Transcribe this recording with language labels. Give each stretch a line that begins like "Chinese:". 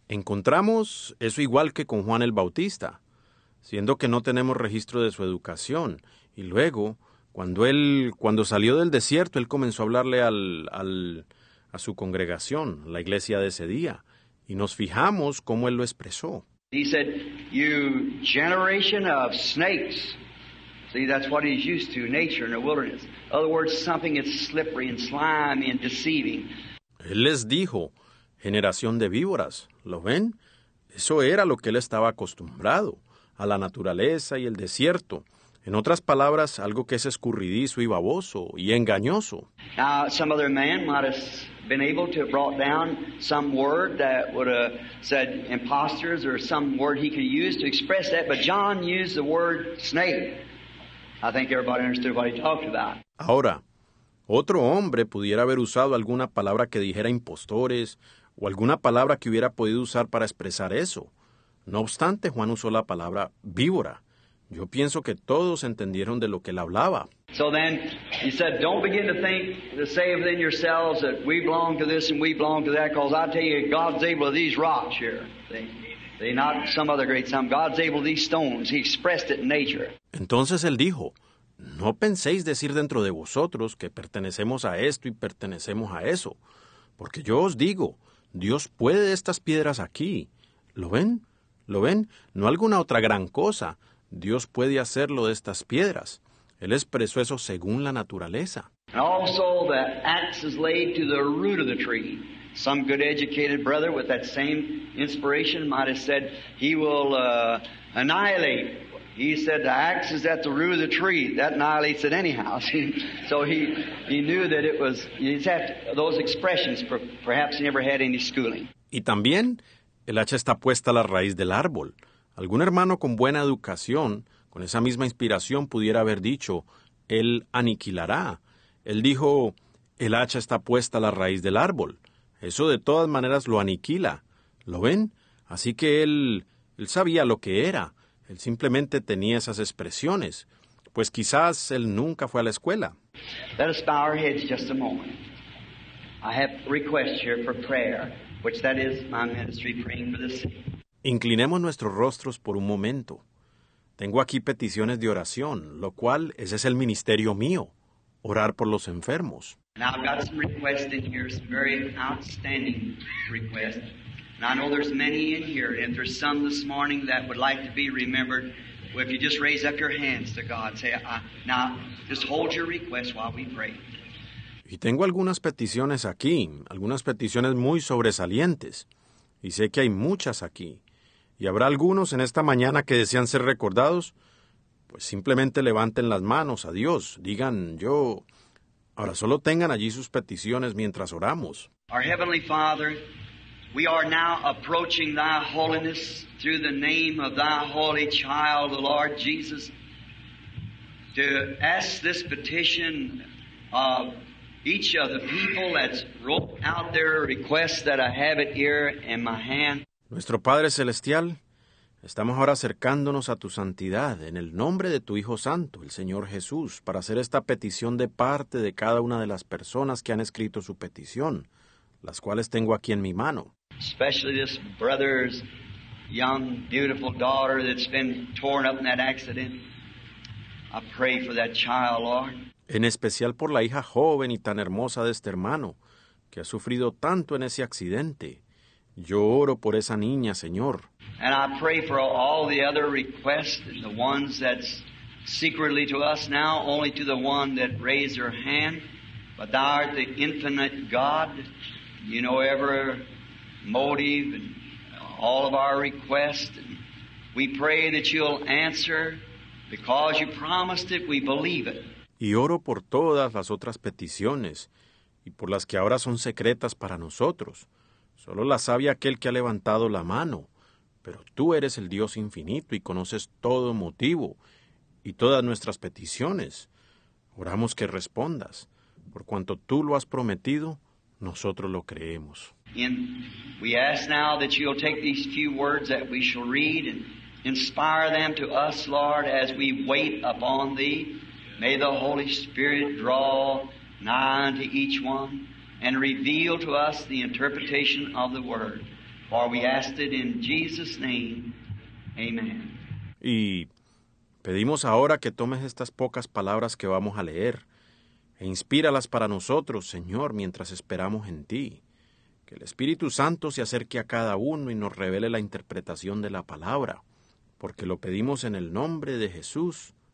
Spanish: Encontramos eso igual que con Juan el Bautista, siendo que no tenemos registro de su educación. Y luego, cuando salió del desierto, él comenzó a hablarle a su congregación, la iglesia de ese día, y nos fijamos cómo él lo expresó.
English: He said, "You generation of snakes." See, that's what he's used to, nature in the wilderness. In other words, something that's slippery and slimy and deceiving.
Spanish: Él les dijo, generación de víboras. ¿Lo ven? Eso era lo que él estaba acostumbrado. a la naturaleza y el desierto. En otras palabras, algo que es escurridizo y baboso y engañoso.
English: Now, some other man might have been able to have brought down some word that would have said imposters or some word he could use to express that, but John used the word snake. I think everybody understood what he talked about.
Spanish: Ahora, otro hombre pudiera haber usado alguna palabra que dijera impostores o alguna palabra que hubiera podido usar para expresar eso. No obstante, Juan usó la palabra víbora. Yo pienso que todos entendieron de lo que él hablaba.
English: So then he said, don't begin to think to say within yourselves that we belong to this and we belong to that, because I tell you, God's able to these rocks here. They not some other great some. God's able to these stones. He expressed it in nature.
Spanish: Entonces él dijo, no penséis decir dentro de vosotros que pertenecemos a esto y pertenecemos a eso. Porque yo os digo, Dios puede de estas piedras aquí. ¿Lo ven? ¿Lo ven? No alguna otra gran cosa. Dios puede hacerlo de estas piedras. Él expresó eso según la naturaleza.
English: And also the axe is laid to the root of the tree. Some good educated brother with that same inspiration might have said he will annihilate. He said the axe is at the root of the tree. That annihilates it anyhow. So he knew that it was, he's had those expressions, perhaps he never had any schooling.
Spanish: Y también, el hacha está puesta a la raíz del árbol. Algún hermano con buena educación, con esa misma inspiración, pudiera haber dicho, él aniquilará. Él dijo, el hacha está puesta a la raíz del árbol. Eso de todas maneras lo aniquila. ¿Lo ven? Así que él sabía lo que era. Él simplemente tenía esas expresiones. Pues quizás él nunca fue a la escuela.
English: Let us bow our heads just a moment. I have a request here for prayer, which that is my ministry, praying for the sick.
Spanish: Inclinemos nuestros rostros por un momento. Tengo aquí peticiones de oración, lo cual ese es el ministerio mío, orar por los enfermos.
English: Now I've got some requests in here, some very outstanding requests. And I know there's many in here, and if there's some this morning that would like to be remembered, well, if you just raise up your hands to God, say, now just hold your request while we pray.
Spanish: Y tengo algunas peticiones aquí, algunas peticiones muy sobresalientes. Y sé que hay muchas aquí. Y habrá algunos en esta mañana que desean ser recordados, pues simplemente levanten las manos a Dios. Digan, yo... Ahora, solo tengan allí sus peticiones mientras oramos.
English: Our Heavenly Father, we are now approaching Thy holiness through the name of Thy Holy Child, the Lord Jesus, to ask this petition of each of the people that's wrote out their request that I have it here in my hand.
Spanish: Nuestro Padre Celestial, estamos ahora acercándonos a tu santidad en el nombre de tu Hijo Santo, el Señor Jesús, para hacer esta petición de parte de cada una de las personas que han escrito su petición, las cuales tengo aquí en mi mano.
English: Especially this brother's young, beautiful daughter that's been torn up in that accident. I pray for that child, Lord.
Spanish: En especial por la hija joven y tan hermosa de este hermano, que ha sufrido tanto en ese accidente. Yo oro por esa niña, Señor.
English: And I pray for all the other requests, the ones that's secretly to us now, only to the one that raised her hand. But Thou art the infinite God. You know every motive and all of our requests. And we pray that You'll answer. Because You promised it, we believe it.
Spanish: Y oro por todas las otras peticiones y por las que ahora son secretas para nosotros. Solo las sabe aquel que ha levantado la mano. Pero tú eres el Dios infinito y conoces todo motivo y todas nuestras peticiones. Oramos que respondas. Por cuanto tú lo has prometido, nosotros lo creemos.
English: We ask now that you'll take these few words that we shall read and inspire them to us, Lord, as we wait upon thee. May the Holy Spirit draw nigh unto each one and reveal to us the interpretation of the word. For we ask it in Jesus' name. Amen.
Spanish: Y pedimos ahora que tomes estas pocas palabras que vamos a leer e inspíralas para nosotros, Señor, mientras esperamos en ti. Que el Espíritu Santo se acerque a cada uno y nos revele la interpretación de la palabra. Porque lo pedimos en el nombre de Jesús.